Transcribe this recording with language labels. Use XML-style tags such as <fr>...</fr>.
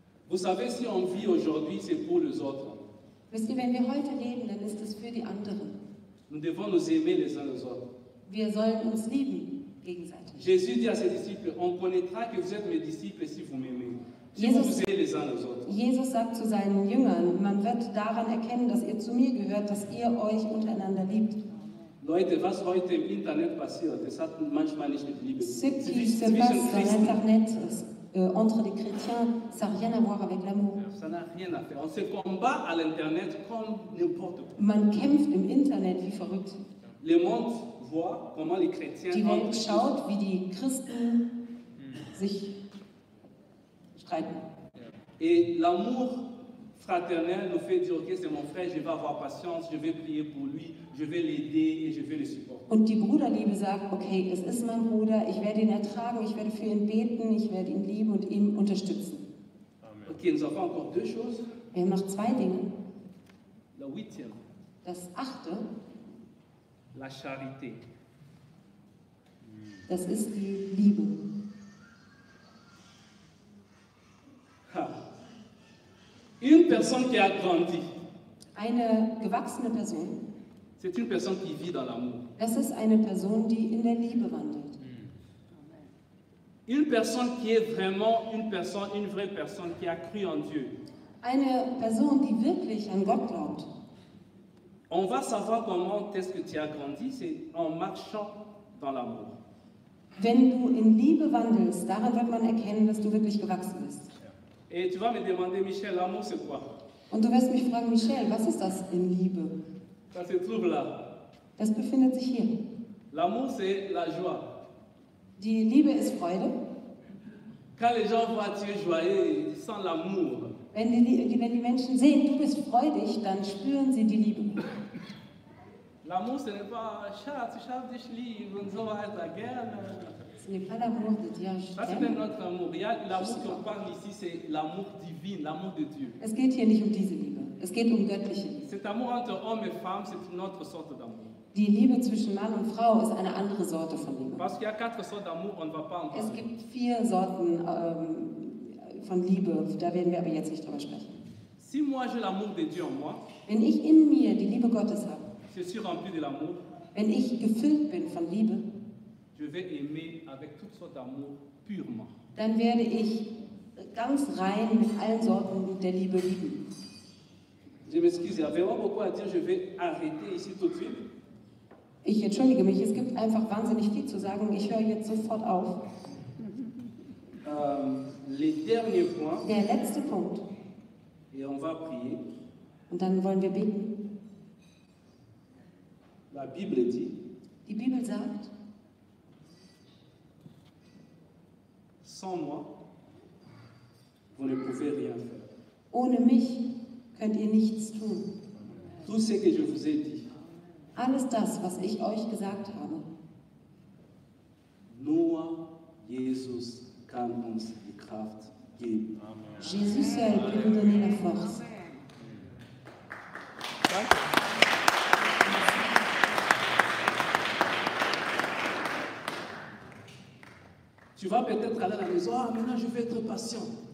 <fr>Vous savez, si on vit aujourd'hui, c'est pour les autres.</fr> <de>Wisst ihr, wenn wir heute leben, dann ist es für die anderen.</de> <fr>Nous devons nous aimer les uns les autres.</fr> <de>Wir sollen uns lieben, gegenseitig.</de> <fr>Jésus dit à ses disciples, on connaîtra que vous êtes mes disciples si vous m'aimez. Si vous aimez les uns les autres.</fr> <de>Jesus sagt zu seinen Jüngern, man wird daran erkennen, dass ihr zu mir gehört, dass ihr euch untereinander liebt. Leute, was heute im Internet passiert, das hat manchmal nicht mit Liebe zu tun.</de> <fr>Entre les chrétiens, ça n'a rien à voir avec l'amour. Ça n'a rien à faire. On se combat à l'internet comme n'importe quoi.</fr> <de>Man kämpft im Internet wie verrückt.</de> <fr>Le monde voit comment les chrétiens.</fr> <de>Die Welt schaut, wie die Christen sich streiten.</de> <fr>Et l'amour fraternel nous fait dire, ok, c'est mon frère, je vais avoir patience, je vais prier pour lui, je vais l'aider et je vais le supporter.</fr> <de>Und die Bruderliebe sagt, okay, es ist mein Bruder, ich werde ihn ertragen, ich werde für ihn beten, ich werde ihn lieben und ihn unterstützen. Amen.</de> <fr>Okay, nous avons encore deux choses.</fr> <de>Wir haben noch zwei Dinge.</de> <fr>La huitième.</fr> <de>Das achte.</de> <fr>La charité.</fr> <de>Das ist die Liebe.</de> <fr>Une personne qui a grandi.</fr> <de>Eine gewachsene Person.</de> <fr>C'est une personne qui vit dans l'amour.</fr> <de>Es ist eine Person, die in der Liebe wandelt.</de> <fr>Une personne qui est vraiment une personne, une vraie personne qui a cru en Dieu.</fr> <de>Eine Person, die wirklich an Gott glaubt.</de> <fr>On va savoir comment est-ce que tu as grandi, c'est en marchant dans l'amour.</fr> <de>Wenn du in Liebe wandelst, daran wird man erkennen, dass du wirklich gewachsen bist.</de> <fr>Et tu vas me demander, Michel, l'amour c'est quoi?</fr> <de>Und du wirst mich fragen, Michel, was ist das in Liebe?</de> <fr>Ça se trouve là.</fr> <de>Das befindet sich hier.</de> <fr>L'amour c'est la joie.</fr> <de>Die Liebe ist Freude.</de> <fr>Quand les gens voient tu es joyeux, ils sentent l'amour.</fr> <de>Wenn die Menschen sehen, du bist freudig, dann spüren sie die Liebe.</de> <fr>L'amour ce n'est pas</fr> <de>Schatz, ich hab dich lieb und so weiter gerne.</de> <fr>Ce n'est pas l'amour de Dieu, je t'aime. Ça, c'est notre amour. L'amour qu'on parle ici, c'est l'amour divin, l'amour de Dieu.</fr> <de>Es geht hier nicht um diese Liebe. Es geht um göttliche Liebe.</de> <fr>Cet amour entre homme et femme, c'est une autre sorte d'amour.</fr> <de>Die Liebe zwischen Mann und Frau ist eine andere Sorte von Liebe.</de> <fr>Parce qu'il y a quatre sortes d'amour, on ne va pas en parler.</fr> <de>Es gibt vier Sorten von Liebe, da werden wir aber jetzt nicht drüber sprechen.</de> <fr>Si moi j'ai l'amour de Dieu en moi,</fr> <de>wenn ich in mir die Liebe Gottes habe,</de> <fr>je suis rempli de l'amour,</fr> <de>wenn ich gefüllt bin von Liebe,</de> <fr>je vais aimer avec toutes sortes d'amour purement.</fr> <de>Dann werde ich ganz rein mit allen Sorten der Liebe lieben.</de> <fr>Je m'excuse, il y a vraiment beaucoup à dire, je vais arrêter ici tout de suite.</fr> <de>Ich entschuldige mich, es gibt einfach wahnsinnig viel zu sagen, ich höre jetzt sofort auf.</de> <fr>Les derniers points.</fr> <de>Der letzte Punkt.</de> <fr>Et on va prier.</fr> <de>Und dann wollen wir beten.</de> <fr>La Bible dit.</fr> <de>Die Bibel sagt.</de> <fr>Sans moi, vous ne pouvez rien faire.</fr> <de>Ohne mich könnt ihr nichts tun.</de> <fr>Tout ce que je vous ai dit.</fr> <de>Alles das, was ich euch gesagt habe. Nur Jesus kann uns die Kraft geben. Amen.</de> <fr>Jesus seul peut nous donner la force.</fr> <de>Danke.</de> <fr>Tu vas peut-être aller à la maison. Ah, maintenant je vais être patient.</fr>